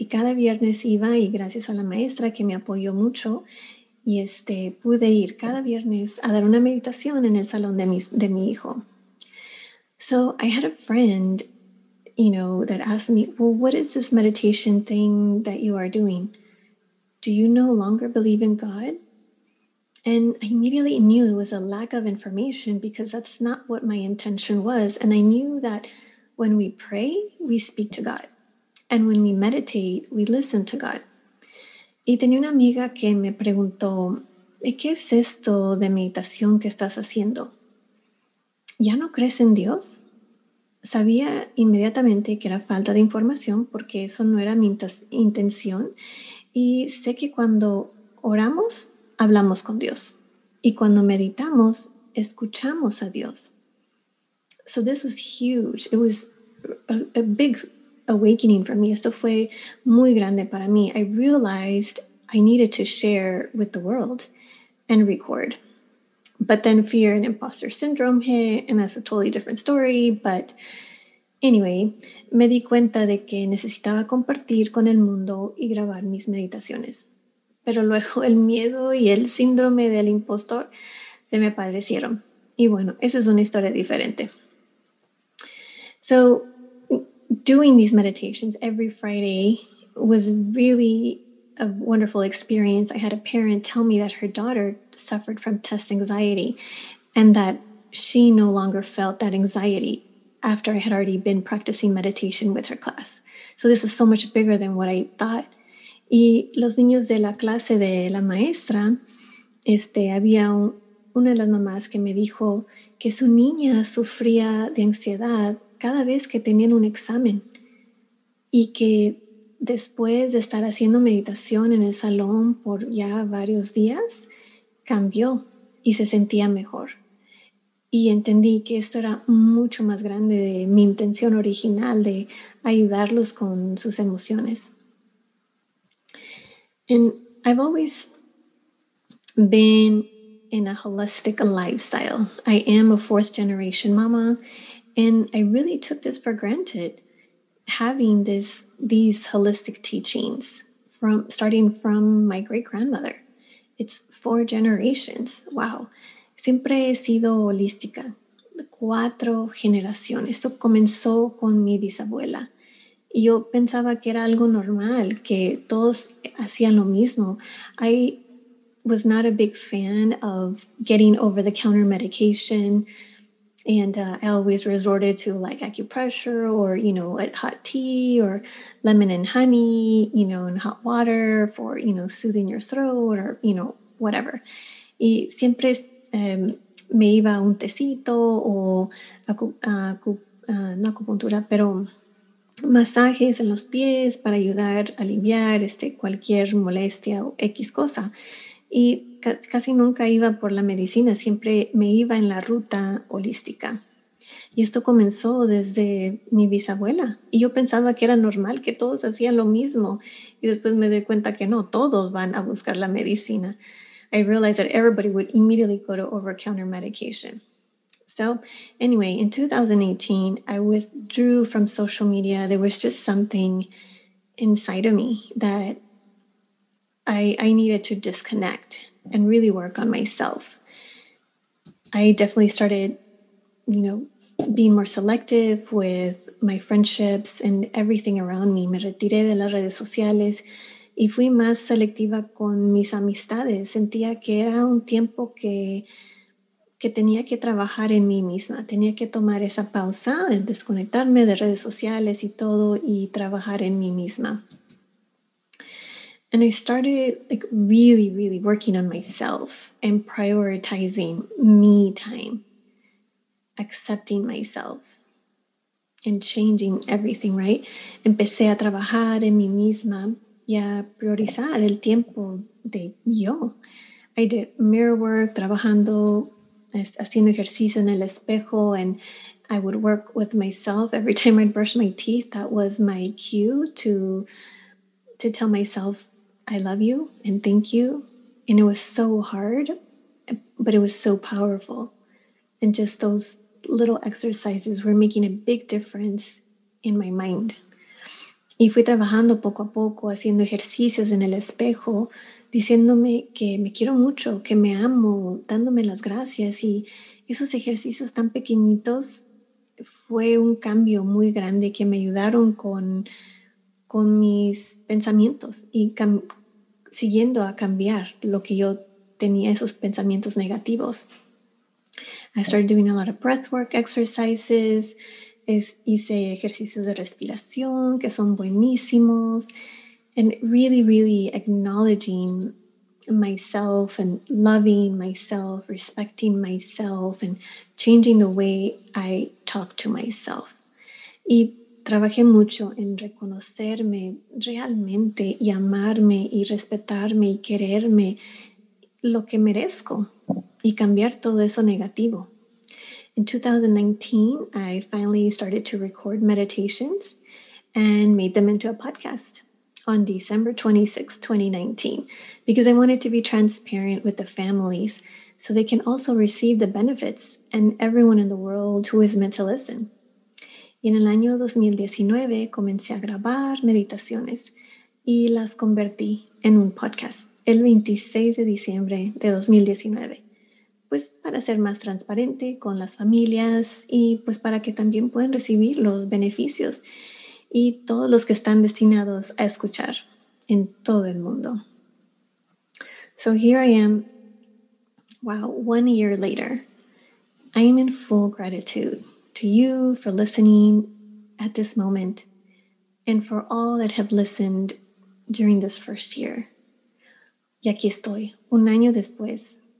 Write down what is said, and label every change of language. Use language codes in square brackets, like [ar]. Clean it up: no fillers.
[es] Y cada viernes iba y gracias a la maestra que me apoyó mucho y pude ir cada viernes a dar una meditación en el salón de mi hijo. [en] So I had a friend, that asked me, well, what is this meditation thing that you are doing? Do you no longer believe in God? And I immediately knew it was a lack of information because that's not what my intention was. And I knew that when we pray, we speak to God. And when we meditate, we listen to God. [es] Y tenía una amiga que me preguntó, ¿qué es esto de meditación que estás haciendo? ¿Ya no crees en Dios? Sabía inmediatamente que era falta de información porque eso no era mi intención. Y sé que cuando oramos, hablamos con Dios. Y cuando meditamos, escuchamos a Dios. [en] So this was huge. It was a big awakening for me. [es] Esto fue muy grande para mí. [en] I realized I needed to share with the world and record. But then fear and imposter syndrome hit, and that's a totally different story. But anyway, [es] me di cuenta de que necesitaba compartir con el mundo y grabar mis meditaciones. Pero luego el miedo y el síndrome del impostor se me padecieron. Y bueno, esa es una historia diferente. [en] So, doing these meditations every Friday was really a wonderful experience. I had a parent tell me that her daughter suffered from test anxiety and that she no longer felt that anxiety after I had already been practicing meditation with her class. So this was so much bigger than what I thought. [es] Y los niños de la clase de la maestra, había una de las mamás que me dijo que su niña sufría de ansiedad cada vez que tenían un examen y que después de estar haciendo meditación en el salón por ya varios días, cambió y se sentía mejor. Y entendí que esto era mucho más grande de mi intención original de ayudarlos con sus emociones. [en] And I've always been in a holistic lifestyle. I am a fourth generation mama, and I really took this for granted, having these holistic teachings starting from my great grandmother. It's four generations. Wow. [es] Siempre he sido holística, cuatro generaciones. Esto comenzó con mi bisabuela. Yo pensaba que era algo normal, que todos hacían lo mismo. [en] I was not a big fan of getting over-the-counter medication, and I always resorted to like acupressure or, you know, like hot tea or lemon and honey, you know, and hot water for, you know, soothing your throat or, you know, whatever. [es] Y siempre me iba un tecito o no acupuntura, pero masajes en los pies para ayudar a aliviar cualquier molestia o X cosa. Y casi nunca iba por la medicina, siempre me iba en la ruta holística. Y esto comenzó desde mi bisabuela. Y yo pensaba que era normal, que todos hacían lo mismo. Y después me doy cuenta que no, todos van a buscar la medicina. [en] I realized that everybody would immediately go to over-counter medication. So anyway, in 2018, I withdrew from social media. There was just something inside of me that I needed to disconnect and really work on myself. I definitely started, you know, being more selective with my friendships and everything around me. [es] Me retiré de las redes sociales y fui más selectiva con mis amistades. Sentía que era un tiempo que tenía que trabajar en mí misma. Tenía que tomar esa pausa, desconectarme de redes sociales y todo, y trabajar en mí misma. [en] And I started like really, really working on myself and prioritizing me time, accepting myself and changing everything, right? [es] Empecé a trabajar en mí misma y a priorizar el tiempo de yo. [en] I did mirror work, [es] trabajando, haciendo ejercicio en el espejo, [en] and I would work with myself. Every time I'd brush my teeth, that was my cue to tell myself, I love you and thank you. And it was so hard, but it was so powerful. And just those little exercises were making a big difference in my mind. [es] Y fui trabajando poco a poco, haciendo ejercicios en el espejo, diciéndome que me quiero mucho, que me amo, dándome las gracias. Y esos ejercicios tan pequeñitos fue un cambio muy grande que me ayudaron con mis pensamientos y siguiendo a cambiar lo que yo tenía, esos pensamientos negativos. [en] I started doing a lot of breathwork exercises. [es] Hice ejercicios de respiración que son buenísimos. [en] And really, really acknowledging myself and loving myself, respecting myself, and changing the way I talk to myself. [es] Y trabajé mucho en reconocerme realmente y amarme y respetarme y quererme lo que merezco y cambiar todo eso negativo. [en] In 2019, I finally started to record meditations and made them into a podcast on December 26, 2019, because I wanted to be transparent with the families so they can also receive the benefits and everyone in the world who is meant to listen. [es] Y en el año 2019 comencé a grabar meditaciones y las convertí en un podcast el 26 de diciembre de 2019, pues para ser más transparente con las familias y pues para que también puedan recibir los beneficios y todos los que están destinados a escuchar en todo el mundo. [en] So here I am, wow, 1 year later, I'm in full gratitude to you for listening at this moment and for all that have listened during this first year. [es] Y aquí estoy, un año después,